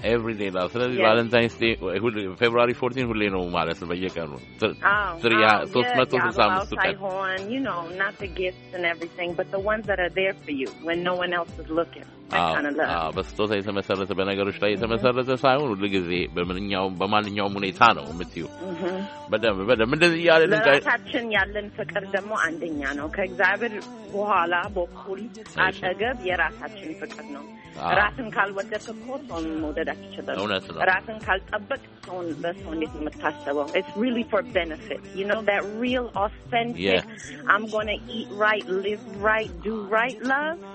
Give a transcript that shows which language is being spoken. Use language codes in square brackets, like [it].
[en] ኤቭሪ ዴይ ላቭ። [am] ስለዚህ ቫለንታይንስ ዴይ ፌብሩዋሪ 14 ሁሌ ነው ማለት ነው። በየቀኑ 365 [en] ቀን not the gifts and everything but the ones that are there for you when no one else is looking. [am] በስጦታ የተመሰረተ በነገሮች ላይ የተመሰረተ ሳይሆን ሁሉ ጊዜ በማንኛውም ሁኔታ ነው የምትዩ። በደንብ እንደዚህ እያለ ለራሳችን ያለን ፍቅር ደግሞ አንደኛ ነው። ከእግዚአብሔር በኋላ በኩል አጠገብ የራሳችን ፍቅር ነው። ራስን ካልወደድክ እኮ ሰውን መውደድ አትችልም። እውነት ነው። ራስን ካልጠበቅ ሰውን በሰው እንዴት የምታስበው? [en] It's really for benefit. You know that real authentic I'm gonna eat right, live right, do right love.